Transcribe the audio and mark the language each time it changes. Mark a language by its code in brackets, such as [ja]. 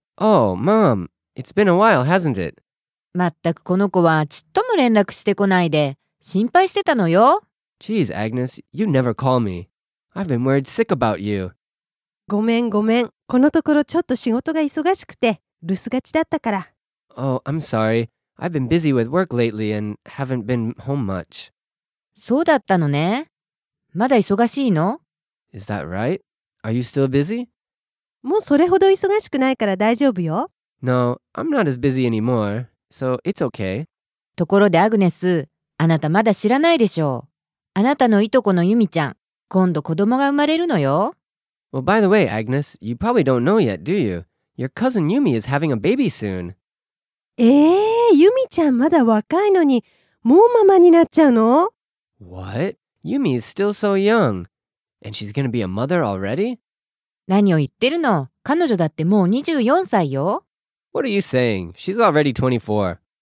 [en] Oh, Mom, it's been a while, hasn't it? [ja] まったくこの子はちっとも連絡してこないで心配してたのよ。 [en] Jeez, Agnes, you never call me. I've been worried sick about you. [ja] ごめんごめん、このところちょっと仕事が忙しくて留守がちだったから。 [en] Oh, I'm sorry. I've been busy with work lately and haven't been home much. [ja] そうだったのね。まだ忙しいの？ [en] Is that right? Are you still busy? [ja] もうそれほど忙しくないから大丈夫よ。 [en] No, I'm not as busy anymore, so it's okay. [ja] ところでアグネス、あなたまだ知らないでしょう。あなたのいとこのユミちゃん、今度子供が生まれるのよ。 [en] Well, by the way, Agnes, you probably don't know yet, do you? Your cousin Yumi is having a baby soon. [ja] ユミちゃんまだ若いのに、もうママになっちゃうの？ [en] What? Yumi is still so young. And she's gonna be a mother already? [ja] 何を言ってるの？彼女だってもう24歳よ。 [en] What are you saying? She's already 24.